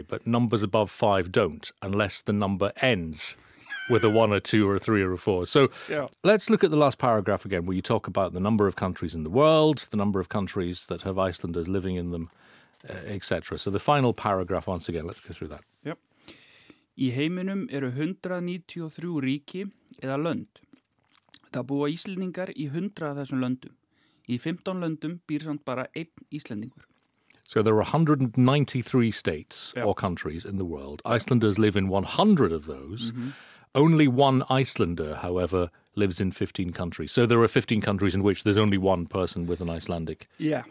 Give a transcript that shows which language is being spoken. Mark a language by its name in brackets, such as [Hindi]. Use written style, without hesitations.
[English] But numbers above 5 don't, unless the number ends with a 1 or 2 or a 3 or a 4. So let's look at the last paragraph again, where you talk about the number of countries in the world, the number of countries that have Icelanders living in them, etc. So the final paragraph once again, let's go through that. Yep. [Icelandic] Í heiminum eru 193 ríki eða lönd. Það búa Íslendingar í 100 af þessum löndum. Í 15 löndum býr samt bara einn Íslendingur. [English] So there are 193 states or countries in the world. Icelanders live in 100 of those. Mm-hmm. Only one Icelander, however, lives in 15 countries. So there are 15 countries in which there's only one person with an Icelandic citizenship.